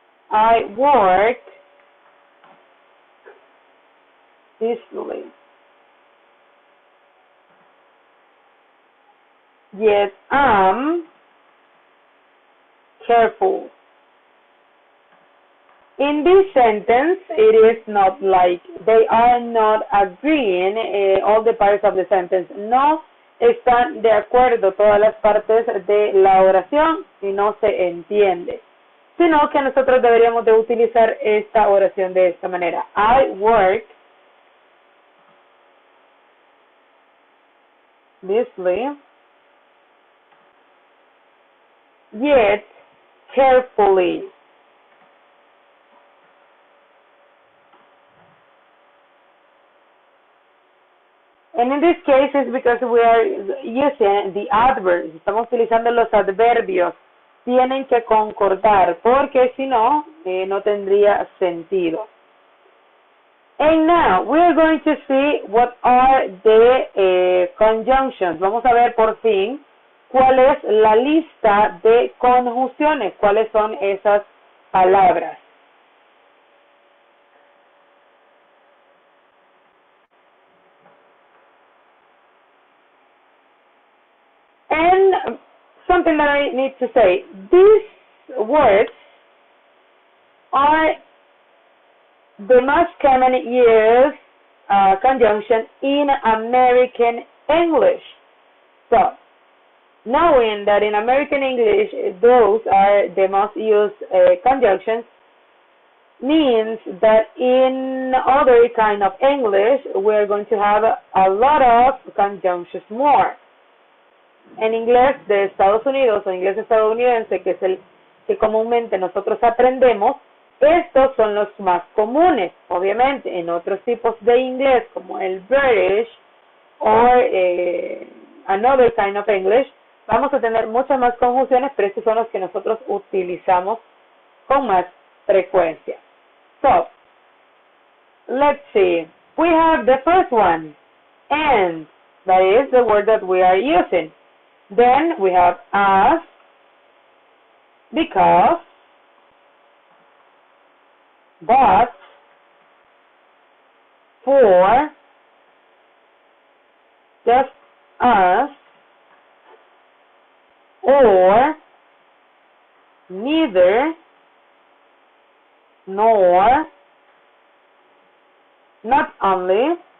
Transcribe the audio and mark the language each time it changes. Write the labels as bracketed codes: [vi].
[en] I work busily, yet I'm careful. In this sentence, it is not like, they are not agreeing, all the parts of the sentence. [es] No están de acuerdo todas las partes de la oración y no se entiende. Sino que nosotros deberíamos de utilizar esta oración de esta manera. [en] I work busily, yet carefully. And in this case, it's because we are using the adverbs. [es] Estamos utilizando los adverbios. Tienen que concordar, porque si no, no tendría sentido. [en] And now, we are going to see what are the conjunctions. [es] Vamos a ver por fin cuál es la lista de conjunciones, cuáles son esas palabras. [en] And something that I need to say, these words are the most common used conjunction in American English. So, knowing that in American English, those are the most used conjunctions, means that in other kind of English, we're going to have a lot of conjunctions more. [es] En inglés de Estados Unidos o inglés estadounidense, que es el que comúnmente nosotros aprendemos, estos son los más comunes. Obviamente, en otros tipos de inglés, como el British o [en] another kind of English, [es] vamos a tener muchas más conjunciones, pero estos son los que nosotros utilizamos con más frecuencia. [en] So, let's see. We have the first one, and that is the word that we are using. Then we have as, because, but, for, just as, or, neither, nor, not only.